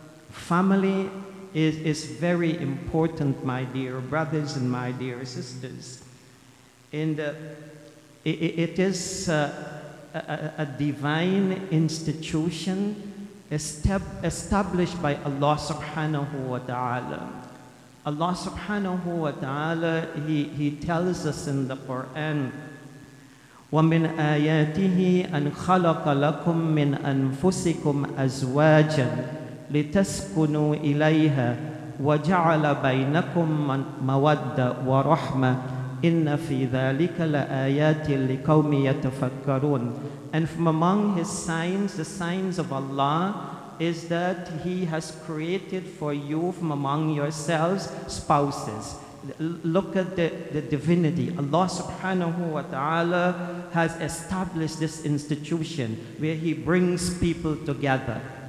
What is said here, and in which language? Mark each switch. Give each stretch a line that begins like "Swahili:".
English: Family is very important, my dear brothers and my dear sisters. And it is a divine institution established by Allah subhanahu wa ta'ala. Allah subhanahu wa ta'ala, he tells us in the Quran,
Arabic: وَمِنْ آيَاتِهِ أَنْ خَلَقَ لَكُمْ مِنْ أَنْفُسِكُمْ أَزْوَاجًا لِتَسْكُنُوا إِلَيْهَا وَجَعَلَ بَيْنَكُمْ مَوَدَّةً وَرَحْمَةً إِنَّ فِي ذَلِكَ لَآيَاتٍ لِقَوْمٍ يَتَفَكَّرُونَ.
English: And from among his signs, the signs of Allah, is that he has created for you from among yourselves spouses. Look at the divinity. Allah subhanahu wa ta'ala has established this institution where he brings people together.